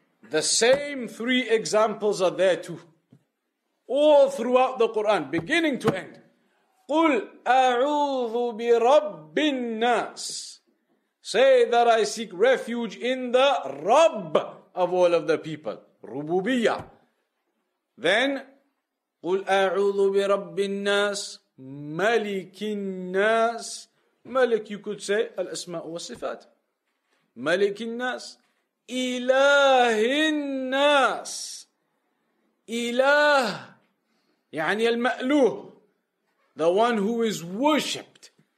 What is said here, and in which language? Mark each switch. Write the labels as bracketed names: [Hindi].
[English] The same three examples are there too. All throughout the Quran, beginning to end. [Arabic] قُلْ أَعُوذُ بِرَبِّ النَّاسِ. [English] Say that I seek refuge in the Rabb of all of the people. Rububiyya. [Arabic] Then, قُلْ أَعُوذُ بِرَبِّ النَّاسِ. [English] Malik al-Nas, Malik, you could say al-Asma wa Sifat. Malik al-Nas, Ilah al-Nas, Ilah, [Arabic] يعني المألوه, [English] the one who is worshipped.